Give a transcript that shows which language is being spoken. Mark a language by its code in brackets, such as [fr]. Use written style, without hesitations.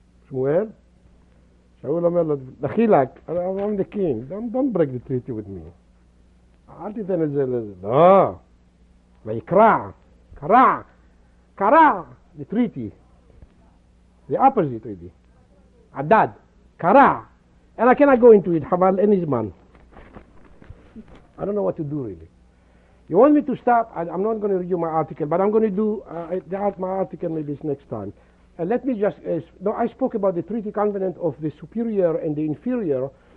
[en] Shmuel? [he] Shaul omer lo, lachilak, [en] I'm the king, don't break the treaty with me. [he] אל תיתן את זה לזה, לא. ויקרא, קרא, קרא, [en] the treaty. The opposite treaty. Adad, קרא. And I cannot go into it, [he] חבל, אין לי זמן. [en] I don't know what to do really. You want me to stop? I'm not going to read you my article, but I'm going to do my article maybe next time. Let me just, I spoke about the treaty covenant of the superior and the inferior.